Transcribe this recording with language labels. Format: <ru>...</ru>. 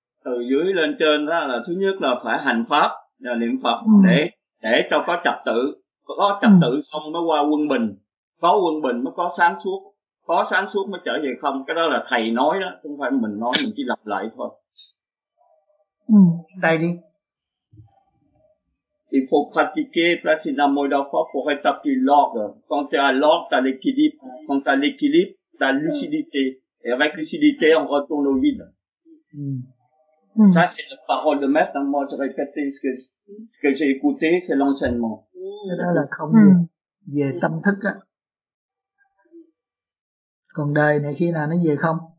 <vi>Từ dưới lên trên đó là thứ nhất là phải hành pháp, là niệm Phật để cho có trật tự. Có trật tự xong mới qua quân bình. Có quân bình mới có sáng suốt, có sáng suốt mới trở về không. Cái đó là thầy nói đó, không phải mình nói, mình chỉ lặp lại thôi. Đây đi.</vi> <fr>Il faut pratiquer précisément mon effort pour rétablir l'ordre. Quand tu as l'ordre, tu as l'équilibre. Quand tu as l'équilibre, tu as lucidité. Et avec lucidité, on retourne au vide. Ça, c'est la parole de maître. Hein. Moi, je répète ce que j'ai écouté, c'est l'enseignement.</fr> <vi>Là là không về, về tâm thức á. Còn đời này khi nào nó về không?</vi>